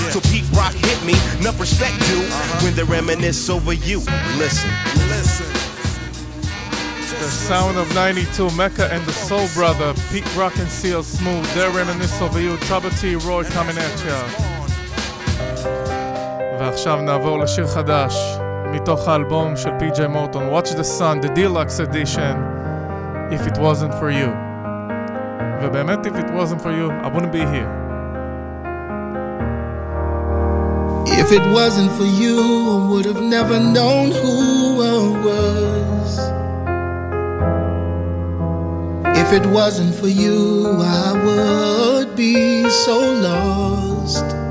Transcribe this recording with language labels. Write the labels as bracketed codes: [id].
[en] So Pete Rock hit me, enough respect due when they reminisce over you. Listen. The sound of 92, Mecca and the Soul Brother, Pete Rock and CL Smooth, they're reminiscing over you, Trouble T, Roy coming at ya. [he] ועכשיו נעבור לשיר חדש, מתוך האלבום של PJ Morton, Watch the Sun, the Deluxe Edition, If It Wasn't For You. ובאמת, [en] If It Wasn't For You, I wouldn't be here. If it wasn't for you, I would have never known who I was. If it wasn't for you, I would be so lost.